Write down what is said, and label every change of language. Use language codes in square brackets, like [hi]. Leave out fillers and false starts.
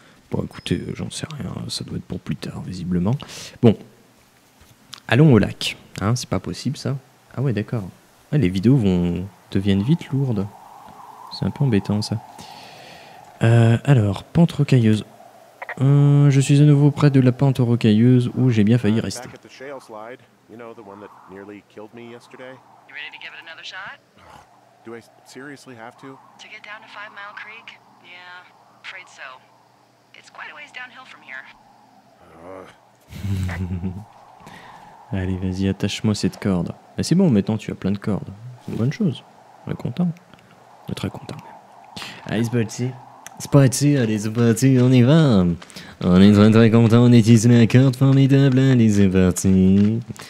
[fr] Bon écoutez, j'en sais rien, ça doit être pour plus tard visiblement. Bon, allons au lac. Hein, c'est pas possible ça. Ah ouais d'accord. Ouais, les vidéos deviennent vite lourdes. C'est un peu embêtant ça. Alors, pente rocailleuse. Je suis à nouveau près de la pente rocailleuse où j'ai bien failli rester. [en] Back at the shale slide, you know, the one that nearly killed me yesterday. You ready to give it another shot? Do I seriously have to? To get down to Five Mile Creek? Yeah, afraid so. It's quite a ways downhill from here. [fr] Allez, vas-y, attache-moi cette corde. Mais c'est bon, maintenant tu as plein de cordes. C'est une bonne chose. On est content. On est très content. Allez, c'est parti, on y va. On est très très content, on utilise la carte formidable, allez c'est parti.